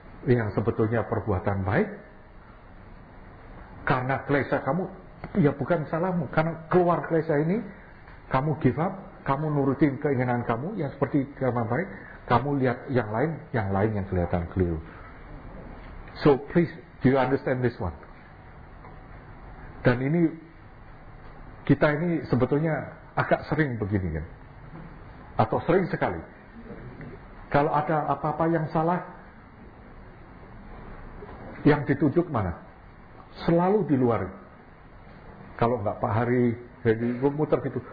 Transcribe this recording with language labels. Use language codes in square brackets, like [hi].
[id] Yang sebetulnya perbuatan baik, karena klesa kamu, ya bukan salahmu, karena keluar klesa ini, kamu give up, kamu nurutin keinginan kamu, yang seperti keinginan baik, kamu lihat yang lain yang kelihatan keliru. [en] So please, do you understand this one? [id] Dan ini, kita ini sebetulnya agak sering begini kan, atau sering sekali. Kalau ada apa-apa yang salah, yang dituju kemana? Selalu di luar. Kalau enggak Pak Hari, jadi muter gitu.